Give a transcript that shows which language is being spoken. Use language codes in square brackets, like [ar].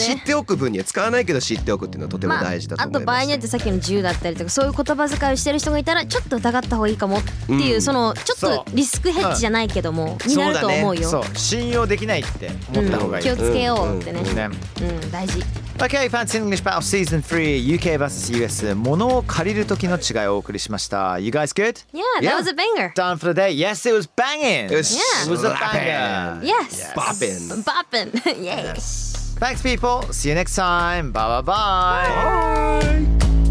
[ja] 知っておく分には、使わないけど知っておくっていうのはとても大事だと思います、まあ、あと場合によってさっきの自由だったりとかそういう言葉遣いをしてる人がいたらちょっと疑った方がいいかもっていう、うん、そのちょっとリスクヘッジじゃないけども、うん、になると思うよ、そうだね、そう、信用できないって思った方がいい、うん、気をつけようってね、うんうんうん、大事。 [en] Okay, Fancy English Battle Season 3 UK vs. [ja] US 物を借りる時の違いをお送りしました。 [en] You guys good? Yeah, that was a banger. Done for the day. Yes, it was banging. It was slapping. Yes. Bopping. Bopping. Yes. Thanks, people. See you next time. Bye, bye, bye. Bye.